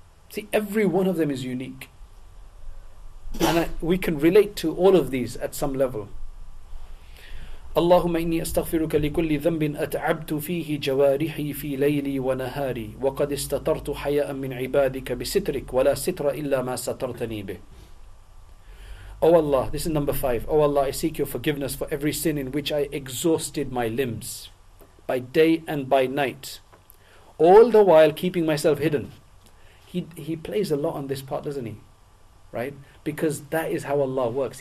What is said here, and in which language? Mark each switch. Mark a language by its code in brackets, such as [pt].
[en] See, every one of them is unique, and we can relate to all of these at some level. [ar] اللهم إني أستغفرك لكل ذنب أتعبت فيه جوارحي في ليلي ونهاري وقد استترت حياء من عبادك بسترك ولا ستر إلا ما سترتني به. [en] O Allah, this is number 5. O Allah, I seek your forgiveness for every sin in which I exhausted my limbs by day and by night, all the while keeping myself hidden. He plays a lot on this part, doesn't he? Right? Because that is how Allah works.